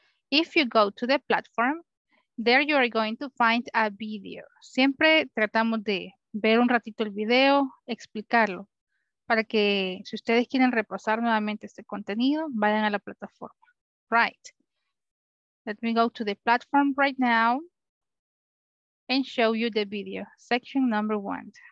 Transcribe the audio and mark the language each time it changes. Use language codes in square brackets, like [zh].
[en] If you go to the platform, there you are going to find a video. [es] Siempre tratamos de ver un ratito el video, explicarlo, para que si ustedes quieren repasar nuevamente este contenido, vayan a la plataforma. [en] Right. Let me go to the platform right now and show you the video, section number one.